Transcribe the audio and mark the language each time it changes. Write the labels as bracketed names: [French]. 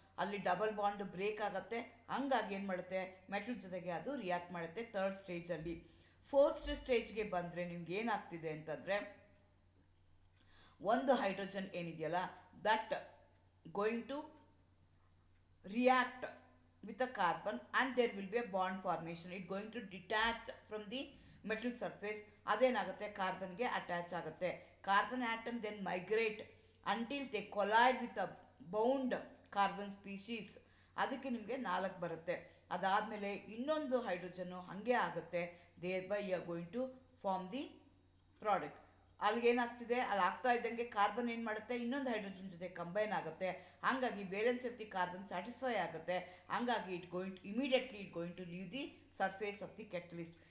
[Kannada] ಅಲ್ಲಿ double bond break ಆಗುತ್ತೆ, ಹಂಗಾಗಿ ಏನು ಮಾಡುತ್ತೆ, ಮೆಟಲ್ ಜೊತೆಗೆ ಅದು ರಿಯಾಕ್ಟ್ ಮಾಡುತ್ತೆ ಥರ್ಡ್ ಸ್ಟೇಜಲ್ಲಿ. ಫೋರ್ತ್ ಸ್ಟೇಜ್ಗೆ ಬಂದರೆ ನಿಮ್ಗೆ ಏನಾಗ್ತಿದೆ ಅಂತಂದರೆ, ಒಂದು ಹೈಡ್ರೋಜನ್ ಏನಿದೆಯಲ್ಲ, [English] That going to react with a carbon and there will be a bond formation. It's going to detach from the metal surface. [Kannada] Adenagate carbon ge attach agate. [English] Carbon atom then migrate until they collide with a bound carbon species. [Kannada] ಅದಕ್ಕೆ ನಿಮಗೆ ನಾಲ್ಕು ಬರುತ್ತೆ. ಅದಾದಮೇಲೆ ಇನ್ನೊಂದು hydrogen ಹಾಗೆ ಆಗುತ್ತೆ. [English] Thereby you are going to form the product. [Kannada] ಅಲ್ಲಿಗೇನಾಗ್ತಿದೆ, ಅಲ್ಲಿ ಆಗ್ತಾ ಇದ್ದಂಗೆ ಕಾರ್ಬನ್ ಏನು ಮಾಡುತ್ತೆ, ಇನ್ನೊಂದು ಹೈಡ್ರೋಜನ್ ಜೊತೆ ಕಂಬೈನ್ ಆಗುತ್ತೆ. ಹಾಗಾಗಿ [English] variance of the carbon satisfy [Kannada] ಆಗುತ್ತೆ. ಹಾಗಾಗಿ [English] It going to immediately it going to leave the surface of the catalyst.